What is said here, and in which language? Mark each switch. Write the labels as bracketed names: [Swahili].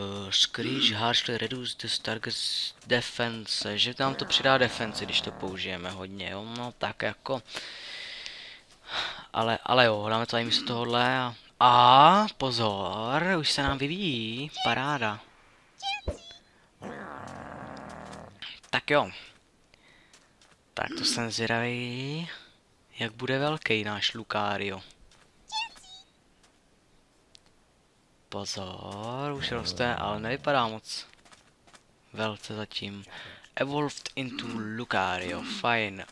[English] Screech harshly reduce the target's defense. [Czech] Že nám to přidá defense, když to použijeme hodně, jo? No tak jako... Ale jo, dáme to tady místo tohohle a pozor, už se nám vyvíjí, paráda. Tak jo. Tak to jsem zvědavý, jak bude velký náš Lucario. Pozor, už roste, ale nevypadá moc velce zatím. [English] Evolved into Lucario, fine.